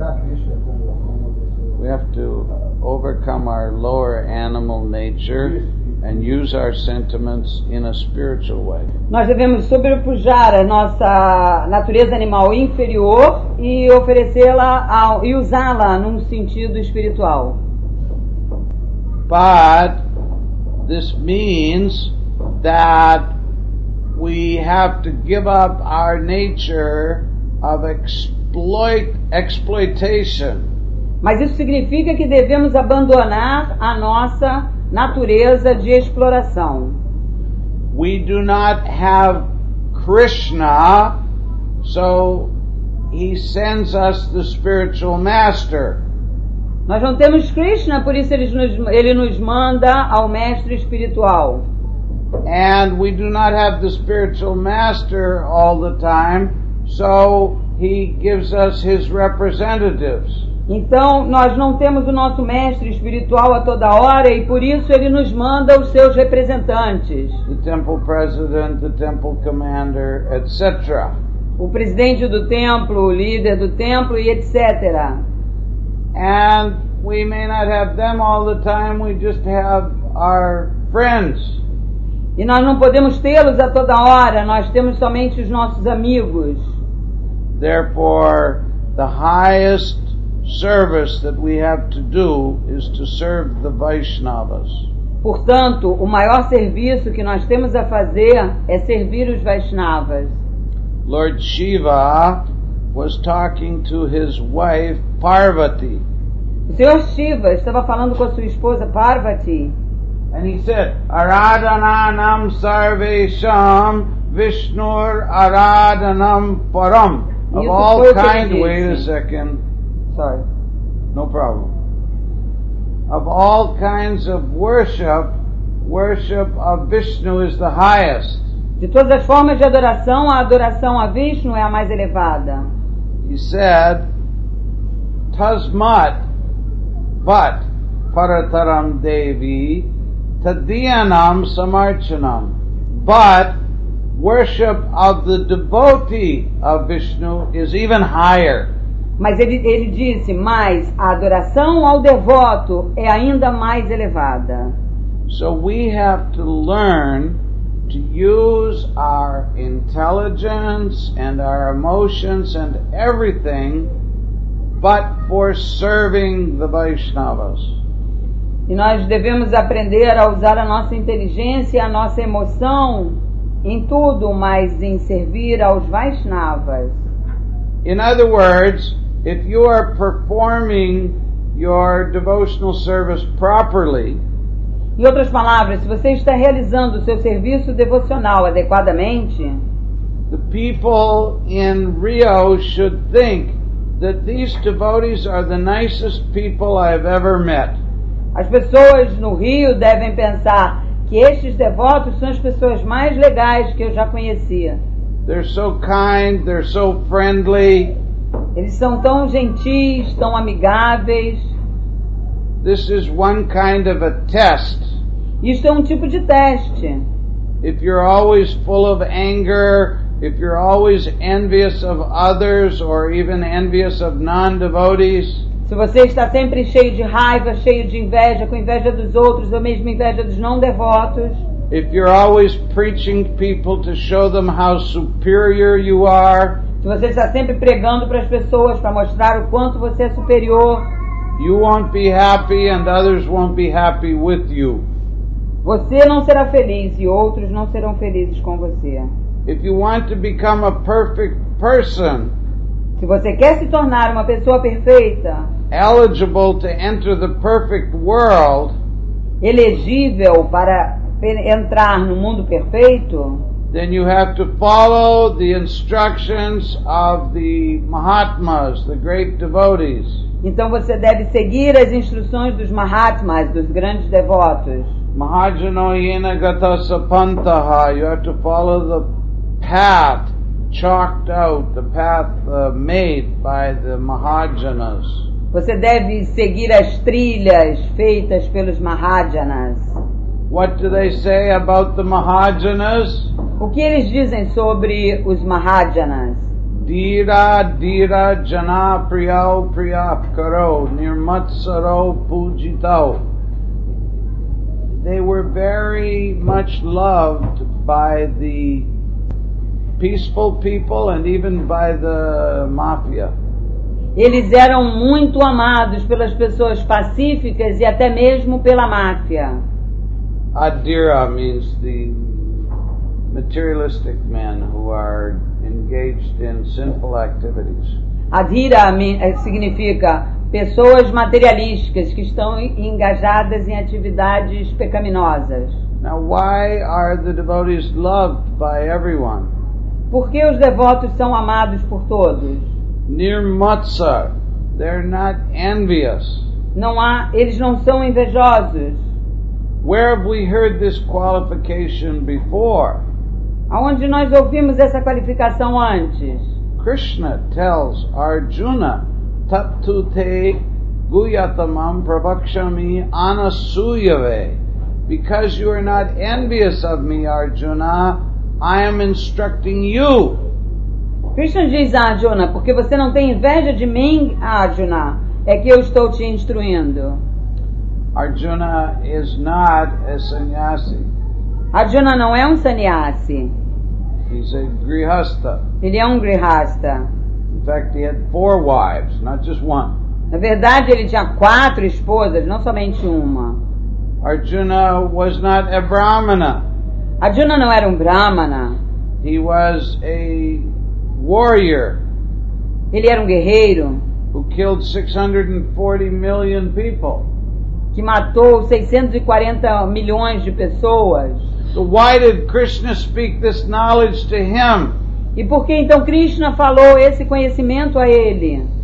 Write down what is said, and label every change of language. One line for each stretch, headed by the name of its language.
English: We have to overcome our lower animal nature and use our sentiments in a spiritual way.
Portuguese: Nós devemos sobrepujar a nossa natureza animal inferior e oferecê-la e usá-la num sentido espiritual.
English: But this means that we have to give up our nature of exploitation.
Portuguese: Mas isso significa que devemos abandonar a nossa natureza de exploração.
English: We do not have Krishna, so he sends us the spiritual master.
Portuguese: Nós não temos Krishna, por isso ele nos manda ao mestre espiritual.
English: And we do not have the spiritual master all the time, so he gives us his representatives.
Portuguese: Então, nós não temos o nosso mestre espiritual a toda hora e por isso ele nos manda os seus representantes.
English: The temple president, the temple commander, etc.
Portuguese: O presidente do templo, o líder do templo e etc.
English: And we may not have them all the time, we just have our friends.
Portuguese: E nós não podemos tê-los a toda hora, nós temos somente os nossos amigos.
English: Therefore, the highest service that we have to do is to serve the Vaishnavas.
Portuguese: Portanto, o maior serviço que nós temos a fazer é servir os Vaishnavas.
English: Lord Shiva was talking to his wife Parvati.
Portuguese: O Senhor Shiva estava falando com a sua esposa Parvati.
English: And he said,
Sanskrit: Aradhananam Sarvesham Vishnur Aradhanam Param.
English: Of all kind, wait a second. Sorry. No problem. Of all kinds of worship, worship of Vishnu is the highest.
Portuguese: De todas as formas de adoração, a adoração a Vishnu é a mais elevada.
English: He said,
Sanskrit: Tasmat Vat Parataram Devi Tadiyanam Samarchanam.
English: But worship of the devotee of Vishnu is even higher.
Portuguese: Mas ele disse, mas a adoração ao devoto é ainda mais elevada.
English: So we have to learn to use our intelligence and our emotions and everything, but for serving the Vaishnavas.
Portuguese: E nós devemos aprender a usar a nossa inteligência e a nossa emoção em tudo, mas em servir aos Vaishnavas.
English: In other words, if you are performing your devotional service properly,
Portuguese: Em outras palavras, se você está realizando o seu serviço devocional adequadamente,
English: the people in Rio should think that these devotees are the nicest people I've ever met.
Portuguese: As pessoas no Rio devem pensar que estes devotos são as pessoas mais legais que eu já conhecia.
English: They're so kind, they're so friendly.
Portuguese: Eles são tão gentis, tão amigáveis.
English: This is one kind of a test.
Portuguese: Isto é um tipo de teste.
English: If you're always full of anger, if you're always envious of others or even envious of non-devotees,
Portuguese: se você está sempre cheio de raiva, cheio de inveja, com inveja dos outros ou mesmo inveja dos não-devotos,
English: if you're always preaching people to show them how superior you are,
Portuguese: se você está sempre pregando para as pessoas para mostrar o quanto você é superior,
English: you won't be happy and others won't be happy with you.
Portuguese: Você não será feliz e outros não serão felizes com você.
English: If you want to become a perfect person,
Portuguese: se você quer se tornar uma pessoa perfeita,
English: eligible to enter the perfect world,
Portuguese: elegível para entrar no mundo perfeito,
English: then you have to follow the instructions of the Mahatmas, the great devotees.
Portuguese: Então você deve seguir as instruções dos Mahatmas, dos grandes devotos.
Sanskrit: Mahajano yena gata sapantaha.
English: You have to follow the path chalked out, the path made by the Mahajanas.
Portuguese: Você deve seguir as trilhas feitas pelos Mahajanas.
English: What do they say about the Mahajanas?
Portuguese: O que eles dizem sobre os Mahajanas?
Sanskrit: Dira, dira, jana, priyau, priyapkaro, nirmatsaro, pujitau.
English: They were very much loved by the peaceful people and even by the mafia.
Portuguese: Eles eram muito amados pelas pessoas pacíficas e até mesmo pela máfia.
English: Adira means the materialistic men who are engaged in sinful activities.
Portuguese: Adira significa pessoas materialísticas que estão engajadas em atividades pecaminosas.
English: Now, why are the devotees loved by everyone?
Portuguese: Por que os devotos são amados por todos?
English: Nirmatsar, they're not envious.
Portuguese: Não há, eles não são invejosos.
English: Where have we heard this qualification before?
Portuguese: Aonde nós ouvimos essa qualificação antes?
English: Krishna tells Arjuna,
Sanskrit: taptu te guyatamam pravakshami anasuyave.
English: Because you are not envious of me, Arjuna, I am instructing you.
Portuguese: Krishna diz a Arjuna, porque você não tem inveja de mim, Arjuna, é que eu estou te instruindo.
English: Arjuna is not a sannyasi.
Portuguese: Arjuna não é sannyasi.
English: He's a grihastha.
Portuguese: Ele é grihastha.
English: In fact, he had four wives, not just one.
Portuguese: Na verdade, ele tinha quatro esposas, não somente uma.
English: Arjuna was not a brahmana.
Portuguese: Arjuna não era brahmana.
English: He was a warrior.
Portuguese: Ele era guerreiro.
English: Who killed 640 million people.
Portuguese: Que matou 640 milhões de pessoas.
English: So why did Krishna speak this knowledge to him?
Portuguese: E por que então Krishna falou esse conhecimento a ele?